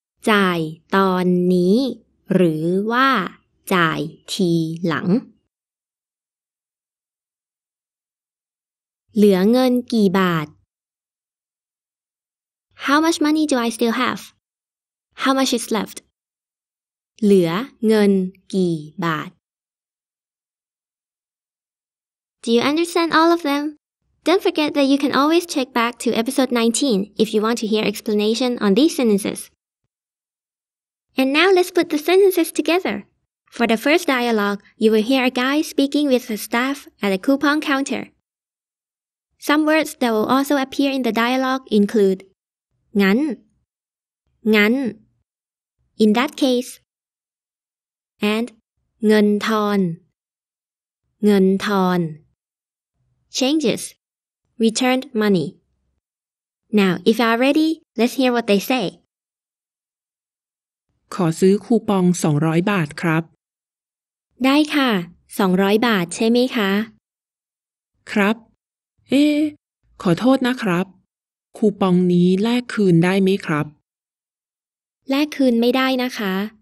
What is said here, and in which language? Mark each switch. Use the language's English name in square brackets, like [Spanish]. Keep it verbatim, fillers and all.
[Thai] จ่ายตอนนี้หรือว่าจ่ายทีหลังเหลือเงินกี่บาท How much money do I still have? How much is left? [English] เหลือเงินกี่บาท Do you understand all of them? Don't forget that you can always check back to episode nineteen if you want to hear explanation on these sentences. And now let's put the sentences together. For the first dialogue, you will hear a guy speaking with his staff at a coupon counter. Some words that will also appear in the dialogue include งั้น งั้น In that case, and เงินทอนเงินทอน changes returned money. Now if you are ready, let's hear what they say. [Thai] ขอซื้อคูปองสองร้อยบาทครับ ได้ค่ะสองร้อยบาทใช่ไหมคะ ครับเอ๊ะขอโทษนะครับคูปองนี้แลกคืนได้ไหมครับ แลกคืนไม่ได้นะคะ